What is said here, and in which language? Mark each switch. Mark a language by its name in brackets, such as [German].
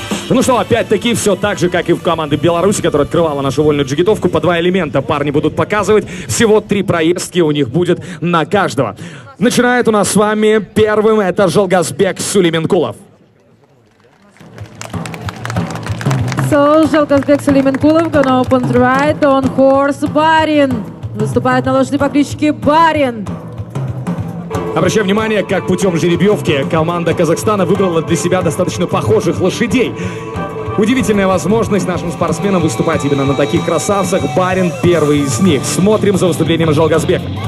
[Russian] Ну что, опять-таки, все так же, как и в команде Беларуси, которая открывала нашу вольную джигитовку. По два элемента парни будут показывать. Всего три проездки у них будет на каждого. Начинает у нас с вами первым. Это Жалгазбек Сулейменкулов. [English] So, Жалгазбек Сулейменкулов gonna open the ride on horse Барин. [Russian] Выступает на лошади по кличке Барин. Обращаю внимание, как путем жеребьевки команда Казахстана выбрала для себя достаточно похожих лошадей. Удивительная возможность нашим спортсменам выступать именно на таких красавцах. Барин первый из них. Смотрим за выступлением Жалгазбека.